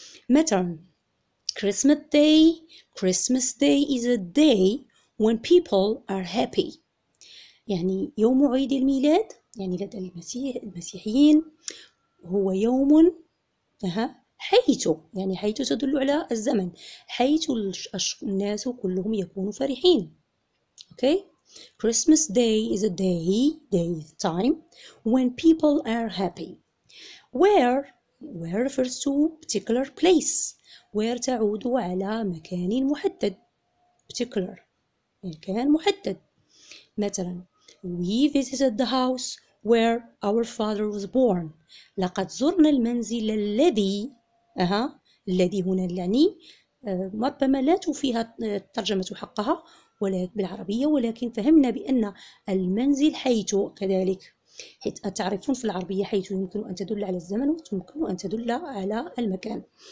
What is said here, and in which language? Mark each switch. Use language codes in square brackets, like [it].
[ar] مثلا [en] Christmas day، Christmas day is a day when people are happy، [ar] يعني يوم عيد الميلاد يعني لدى المسيحيين هو يوم حيث، يعني حيث تدل على الزمن، حيث الناس كلهم يكونوا فرحين. [en] okay. Christmas day is a day time when people are happy. Where refers to particular place. [ar] Where تعود على مكان محدد. Particular مكان محدد. مثلا [en] we visited the house where our father was born. [ar] لقد زرنا المنزل الذي الذي هنا يعني ربما لا توفيها الترجمة حقها بالعربية، ولكن فهمنا بأن المنزل حيث كذلك، حيث تعرفون في العربية حيث يمكن أن تدل على الزمن ويمكن أن تدل على المكان.